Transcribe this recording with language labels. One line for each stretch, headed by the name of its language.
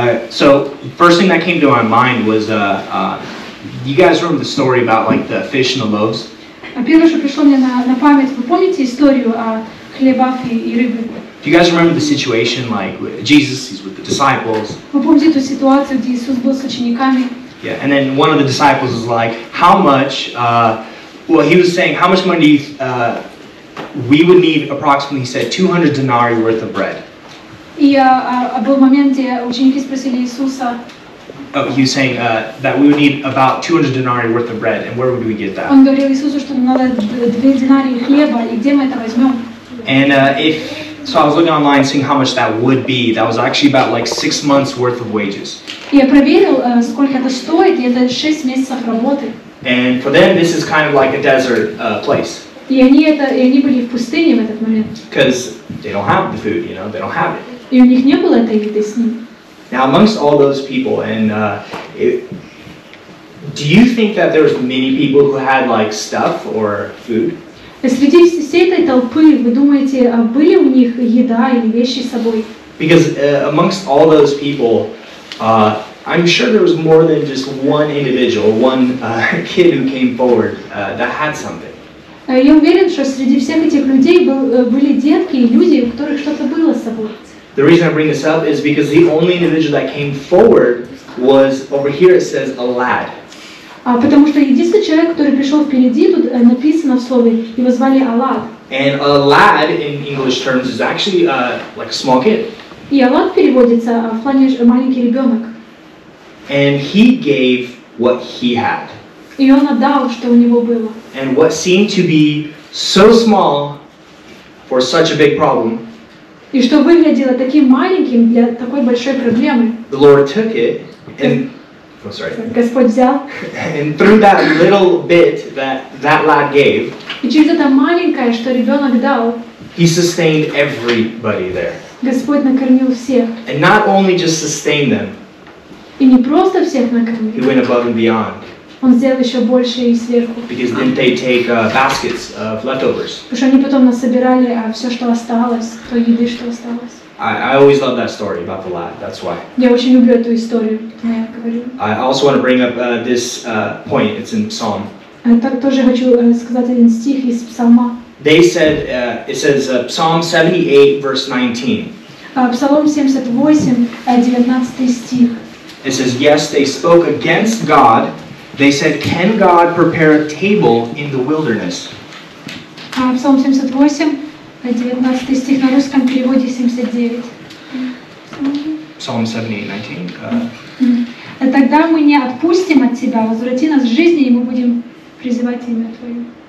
English: So first thing that came to my mind was you guys remember the story about like the fish and the loaves?
Russian: Первое, что пришло мне на память, вы помните историю о хлебах и рыбе?
English: Do you guys remember the situation like with Jesus, he's with the disciples?
Russian: Вы помните ту ситуацию, где Иисус был с учениками?
English: Yeah, and then one of the disciples was like, how much, he was saying, how much money we would need approximately, he said, 200 denarii worth of bread.
Russian: И был момент, где ученики спросили Иисуса.
English: Oh, he was saying that we would need about 200 denarii worth of bread, and where would we get that?
Russian: Он говорил Иисусу, что надо 2 динарии хлеба, и где мы это возьмем?
English: And so I was looking online, seeing how much that would be. That was actually about like 6 months worth of wages.
Russian: Я проверил, сколько это стоит, и это 6 месяцев работы.
English: And for them, this is kind of like a desert place.
Russian: И они были в пустыне в этот момент.
English: Because they don't have the food, you know, they don't have it.
Russian: И у них не было этой еды с ним.
English: Now, amongst all those people, and do you think that there was many people who had like stuff or food?
Russian: Среди всей этой толпы, вы думаете, были у них еда или вещи с собой?
English: Because amongst all those people, I'm sure there was more than just one individual, one kid who came forward that had something.
Russian: Я уверен, что среди всех этих людей были детки и люди, у которых что-то было с собой.
English: The reason I bring this up is because the only individual that came forward was, over here it says, a lad.
Russian: Потому что единственный человек, который пришел впереди, тут написано в слове, его звали Алад.
English: And a lad, in English terms, is actually like a small kid.
Russian: И Алад переводится в плане маленький ребенок.
English: And he gave what he had.
Russian: И он отдал, что у него было.
English: And what seemed to be so small for such a big problem.
Russian: И что выглядело таким маленьким для такой большой проблемы.
English: The Lord took it and
Russian: Господь взял.
English: And through that little bit that lad gave.
Russian: И через это маленькое, что ребенок дал.
English: He sustained everybody there.
Russian: Господь накормил всех.
English: And not only just sustained them.
Russian: И не просто всех накормил.
English: He went above and beyond.
Russian: Он сделал еще больше и сверху.
English: Because didn't they take baskets of leftovers?
Russian: Потому что они потом насобирали все, что осталось, то еды, что осталось.
English: I always love that story about the lad. That's why.
Russian: Я очень люблю эту историю, когда я говорю.
English: I also want to bring up this point. It's in Psalm.
Russian: Так тоже хочу сказать один стих из Псалма.
English: They said it says Psalm 78 verse 19.
Russian: Псалом 78, 19 стих.
English: It says, "Yes, they spoke against God." They said, "Can God prepare a table in the wilderness?"
Russian: Psalm 78, 19 стих на русском переводе 79.
English: Psalm 78, 19.
Russian: Тогда мы не отпустим от тебя, возврати нас в жизни, и мы будем призывать имя твое.